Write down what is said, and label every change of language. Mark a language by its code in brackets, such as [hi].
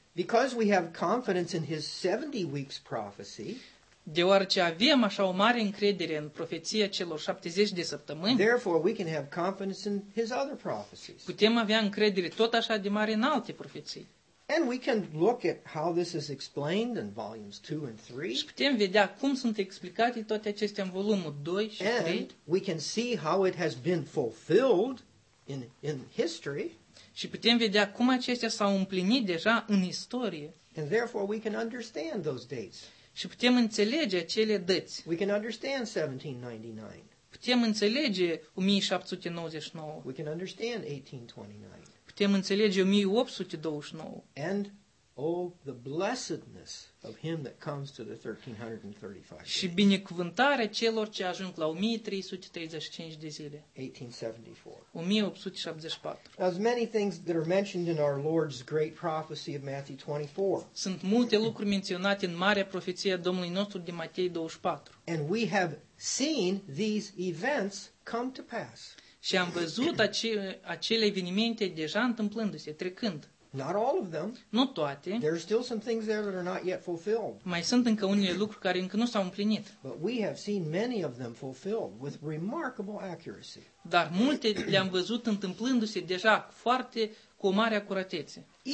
[en] Because we have confidence in his 70 weeks prophecy. [ro] Deoarece avem așa o mare încredere în profeția celor 70 de săptămâni. [en] Therefore we can have confidence in his other prophecies. [ro] Putem avea încredere tot așa de mare în alte profeții. [en] And we can look at how this is explained in volumes 2 and 3. [ro] Și putem vedea cum sunt explicate toate acestea în volumul 2 și 3. [en] And we can see how it has been fulfilled in history. [ro] Și putem vedea cum acestea s-au împlinit deja în istorie. [en] And therefore we can understand those dates. [ro] Și putem înțelege acele dăți. [en] We can understand 1799. [ro] Putem înțelege 1799. [en] We can understand 1829. [ro] Putem înțelege 1829. [en] And oh the blessedness of him that comes to the 1335. [ro] Și binecuvântarea celor ce ajung la 1335 de zile. 1874. 1874. [en] There's many things that are mentioned in our Lord's great prophecy of Matthew 24. [ro] Sunt multe lucruri menționate în marea profeție a Domnului nostru de Matei 24. [en] And we have seen these events come to pass. [ro] Și am văzut acele evenimente deja întâmplându-se, trecând. [en] Not all of them. [ro] Nu toate. [en] There are still some things there that are not yet fulfilled. [ro] Mai sunt încă unele lucruri care încă nu s-au împlinit. [en] But we have seen many of them fulfilled with remarkable accuracy. [ro] Dar multe le-am văzut întâmplându-se deja foarte cu o mare acuratețe.